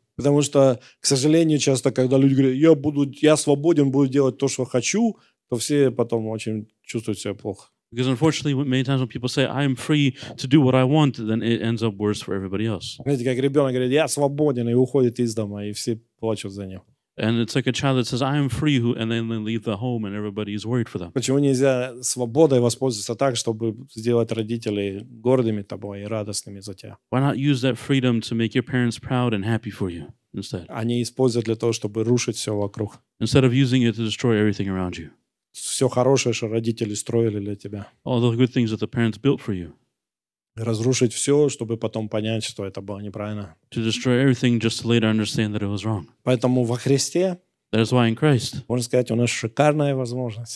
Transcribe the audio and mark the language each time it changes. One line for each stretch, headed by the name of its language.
Russian: Потому что, к сожалению, часто, когда люди говорят, я свободен, буду делать то, что хочу, то все потом очень чувствуют себя плохо.
English: Because unfortunately, many times when people say, I am free to do what I want, then it ends up worse for everybody else. And it's like a child that says, I am free, and then they leave the home and everybody is worried for them.
Russian: Почему нельзя свободой воспользоваться так, чтобы сделать родителей гордыми тобой и радостными за тебя?
English: Why not use that freedom to make your parents proud and happy for you instead?
Russian: А не использовать для того, чтобы рушить все вокруг.
English: Instead of using it to destroy everything around you.
Russian: Все хорошее, что родители строили для тебя.
English: All the good things that the parents built for you.
Russian: Разрушить все, чтобы потом понять, что это было неправильно.
English: To destroy everything just to later understand that it was wrong.
Russian: Поэтому во Христе,
English: that is why in Christ,
Russian: можно сказать, у нас шикарная возможность.